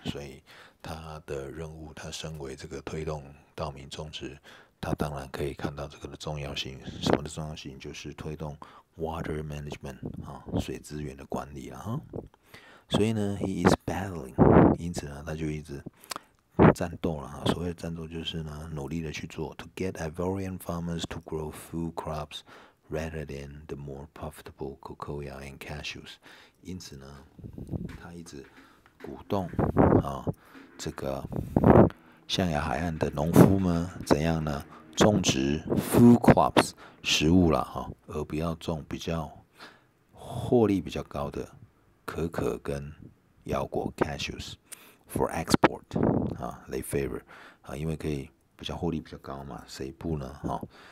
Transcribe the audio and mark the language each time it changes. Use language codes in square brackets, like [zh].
[zh] 所以他的任务，他身为这个推动稻米种植，他当然可以看到这个的重要性。什么的重要性？就是推动Water management 啊，水资源的管理了哈。所以呢 ， [en] he is battling， [zh] 因此呢，他就一直战斗了哈。所谓的战斗就是呢，努力的去做 [en] ，to get Ivorian farmers to grow food crops rather than the more profitable cocoa and cashews。 [zh] 因此呢，他一直鼓动啊，这个象牙海岸的农夫们怎样呢？种植 [en] food crops [zh] 食物啦哈，而不要种比较获利比较高的可可跟腰果 [en] cashews for export [zh] 啊 ， [en] they favor [zh] 啊，因为可以比较获利比较高嘛，谁不呢哈、啊？